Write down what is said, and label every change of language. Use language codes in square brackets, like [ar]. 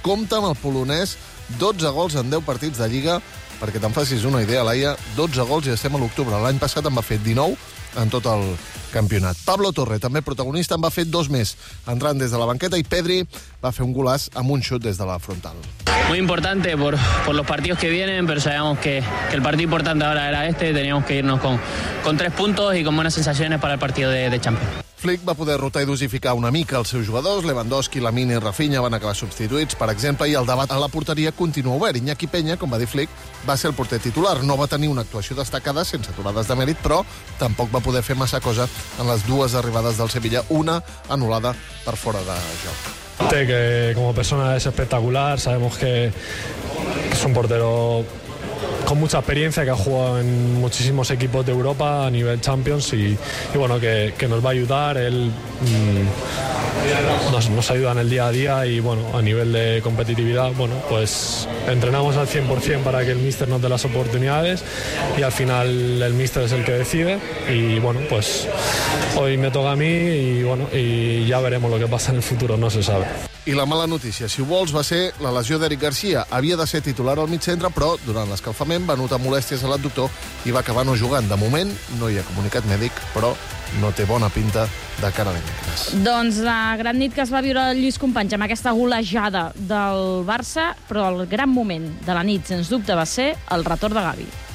[ca] Compta amb el polonès, 12 gols en 10 partits de Lliga, perquè te'n facis una idea, Laia, 12 gols i estem a l'octubre. L'any passat en va fer 19 en tot el campionat. Pablo Torre, també protagonista, en va fer dos més, entrant des de la banqueta, i Pedri va fer un golaç amb un xut des de la frontal. [es] Muy importante por los partidos que vienen, pero sabíamos que el partido importante ahora era este. Teníamos que irnos con tres puntos y con buenas sensaciones para el partido de Champions. [ca] Flick va poder rotar i dosificar una mica els seus jugadors. Lewandowski, Lamin i Rafinha van acabar substituïts, per exemple, i el debat a la porteria continua obert. Iñaki Peña, com va dir Flick, va ser el porter titular. No va tenir una actuació destacada sense aturades de mèrit, però tampoc va poder fer massa cosa en les dues arribades del Sevilla, una anul·lada per fora de joc. [es] Que como persona es espectacular, sabemos que es un portero con mucha experiencia, que ha jugado en muchísimos equipos de Europa a nivel Champions y bueno, que nos va a ayudar, él nos ayuda en el día a día y bueno, a nivel de competitividad, bueno, pues entrenamos al 100% para que el míster nos dé las oportunidades y al final el míster es el que decide y bueno, pues hoy me toca a mí y bueno, y ya veremos lo que pasa en el futuro, no se sabe. [ca] I la mala notícia, si ho vols, va ser la lesió d'Eric García. Havia de ser titular al mig centre, però durant l'escalfament va notar molèsties a l'adductor i va acabar no jugant. De moment no hi ha comunicat mèdic, però no té bona pinta de cara a dimecres. Doncs la gran nit que es va viure el Lluís Companys amb aquesta golejada del Barça, però el gran moment de la nit, sens dubte, va ser el retorn de Gavi.